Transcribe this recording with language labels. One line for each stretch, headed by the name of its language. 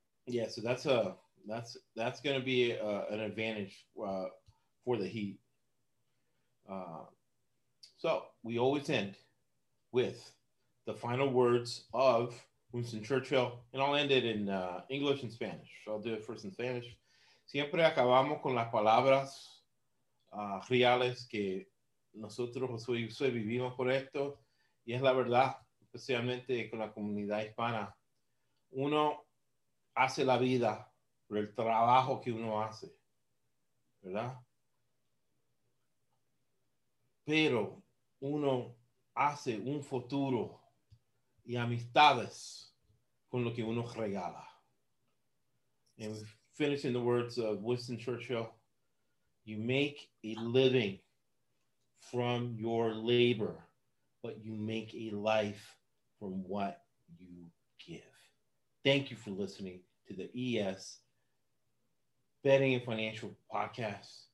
English: Yeah, so that's going to be an advantage for the Heat. So we always end with the final words of Winston Churchill, and I'll end it in English and Spanish. So I'll do it first in Spanish.
Spanish: Siempre acabamos con las palabras reales que nosotros, Josué, vivimos por esto, y es la verdad, especialmente con la comunidad hispana. Uno hace la vida por el trabajo que uno hace, ¿verdad? Pero uno hace un futuro y amistades con lo que uno regala.
English: And we finish in the words of Winston Churchill, you make a living from your labor, but you make a life from what you give. Thank you for listening to the ES Betting and Financial Podcast.